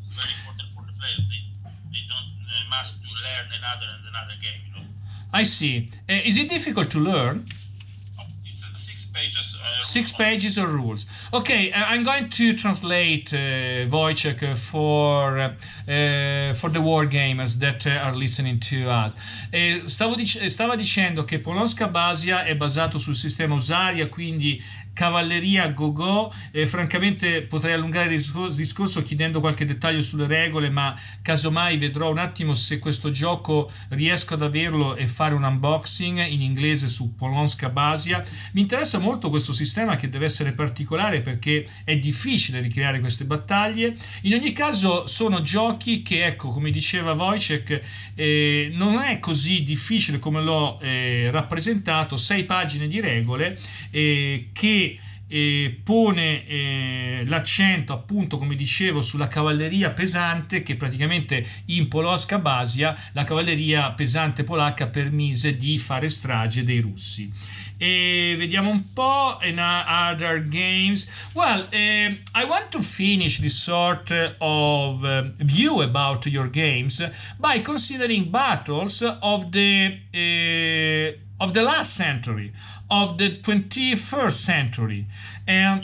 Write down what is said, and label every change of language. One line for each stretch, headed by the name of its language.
English: It's very important for the players. They don't must to learn another game, you know. I see. Is it difficult to learn? Six pages of rules. Okay, I'm going to translate Wojciech for the wargamers that are listening to us.
Italian: Stava dicendo che Polonska Basia è basato sul sistema Husaria, quindi cavalleria go-go. Francamente potrei allungare il discorso chiedendo qualche dettaglio sulle regole, ma casomai vedrò un attimo se questo gioco riesco ad averlo e fare un unboxing in inglese su Polonska Basia. Mi interessa molto questo sistema, che deve essere particolare perché è difficile ricreare queste battaglie. In ogni caso sono giochi che, ecco, come diceva Wojciech, non è così difficile come l'ho rappresentato. Sei pagine di regole che pone l'accento, appunto, come dicevo, sulla cavalleria pesante, che praticamente in Polonska Basia la cavalleria pesante polacca permise di fare strage dei russi. E vediamo un po'
English: in other games. Well, I want to finish this sort of view about your games by considering battles of the last century, of the 21st century, and